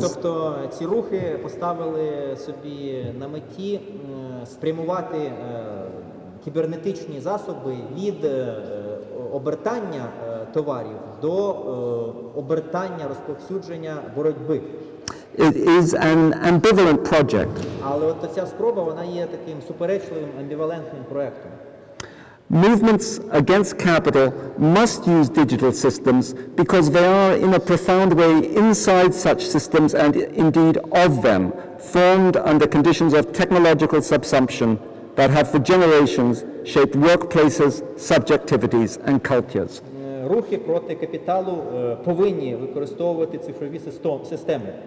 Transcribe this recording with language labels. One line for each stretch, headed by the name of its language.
Ukrainian: Тобто ці рухи поставили собі на меті спрямувати кібернетичні засоби від обертання товарів до обертання розповсюдження боротьби.
English: It is an ambivalent project.
Ukrainian: Але от ця спроба, вона є таким суперечливим, амбівалентним проектом.
English: Movements against capital must use digital systems because they are in a profound way inside such systems and indeed of them, formed under conditions of technological subsumption that have for generations shaped workplaces, subjectivities and cultures.
Ukrainian: Рухи проти капіталу повинні використовувати цифрові системи.